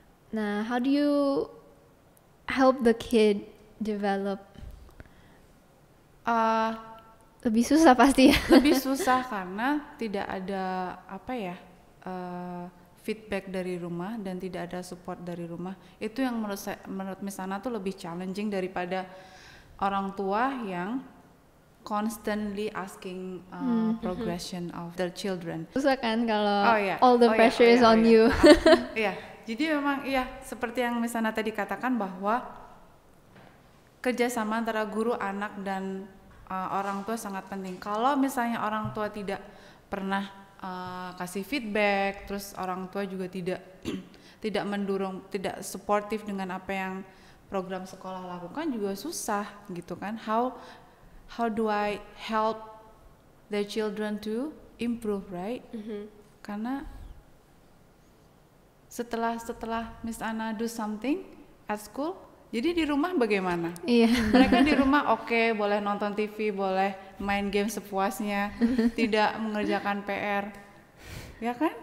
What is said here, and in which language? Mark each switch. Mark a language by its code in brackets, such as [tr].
[en] Nah, how do you help the kid develop? [id] Lebih susah pasti ya. Lebih susah karena tidak ada apa ya, feedback dari rumah dan tidak ada support dari rumah. Itu yang menurut Miss Anna tuh lebih challenging daripada orang tua yang [en] constantly asking progression of their children. [id] Susah kan kalau [en] all the pressure is on you. [id] Iya, jadi memang iya seperti yang Miss Anna tadi katakan bahwa kerjasama antara guru, anak dan orang tua sangat penting. Kalau misalnya orang tua tidak pernah kasih feedback, terus orang tua juga tidak supportive dengan apa yang program sekolah lakukan, juga susah gitu kan. [en] How do I help the children to improve, right? [id] Mm-hmm. Karena setelah Miss Anna [en] do something at school, [id] jadi di rumah bagaimana? Iya. Mereka di rumah okay, boleh nonton TV, boleh main game sepuasnya, tidak mengerjakan PR, ya kan?